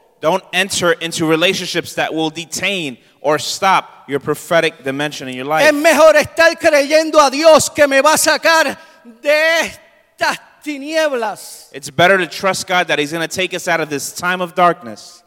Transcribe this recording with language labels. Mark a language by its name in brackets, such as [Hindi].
[English] Don't enter into relationships that will detain or stop your prophetic dimension in your life. [Spanish] Es mejor estar creyendo a Dios que me va a sacar de estas tinieblas. [English] It's better to trust God that he's going to take us out of this time of darkness.